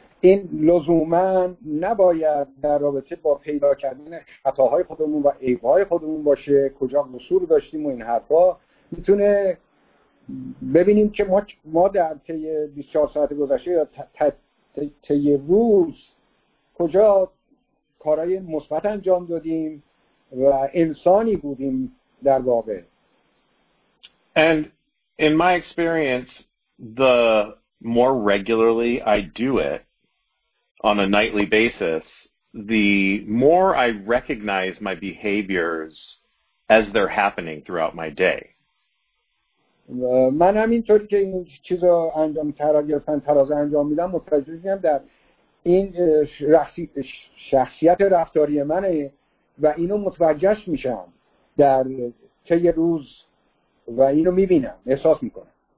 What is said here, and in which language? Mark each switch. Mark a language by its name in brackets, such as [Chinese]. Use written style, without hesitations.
[Persian] این لزوماً نباید در رابطه با پیدا کردن خطاهای خودمون و عیبهای خودمون باشه، کجا قصور داشتیم و این حرفا. میتونه ببینیم که ما در طی 24 ساعت گذشته یا طی روز کجا کارهای مثبت انجام دادیم و انسانی بودیم در واقع. [English] And in my experience, the more regularly I do it on a nightly basis, the more I recognize my behaviors as they're happening throughout my day. [Persian] من هم اینطوری که این چیز رو انجام تراز انجام میدم متوجه شدم در این شخصیت رفتاری منه و اینو متوجهش میشم در طی روز و اینو میبینم احساس میکنم.